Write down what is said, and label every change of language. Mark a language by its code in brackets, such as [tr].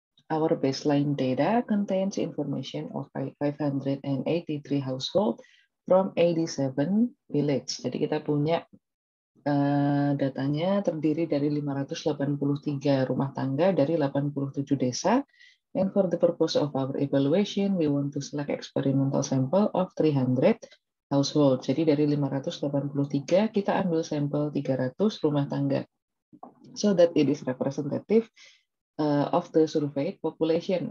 [en] Our baseline data contains information of 583 households from 87 villages. [id] Jadi kita punya datanya terdiri dari 583 rumah tangga dari 87 desa. [en] And for the purpose of our evaluation, we want to select experimental sample of 300 households. [id] Jadi dari 583 kita ambil sampel 300 rumah tangga. [en] So that it is representative of the surveyed population.